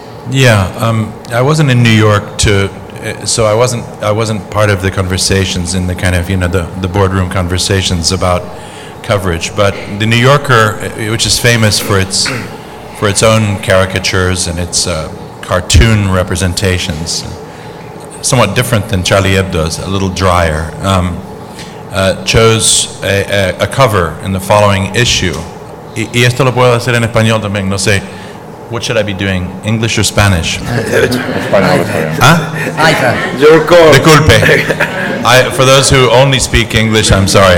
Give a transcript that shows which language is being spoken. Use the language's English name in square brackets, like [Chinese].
[English] Yeah, I wasn't in New York to, so I wasn't part of the conversations in the kind of, you know, the boardroom conversations about coverage. But the New Yorker, which is famous for its own caricatures and its cartoon representations, somewhat different than Charlie Hebdo's, a little drier. Chose a cover in the following issue. [Spanish] Y esto lo puedo hacer en español también. No sé, [English] what should I be doing, English or Spanish? [Spanish] Español. Huh? Disculpe. [English] For those who only speak English, I'm sorry.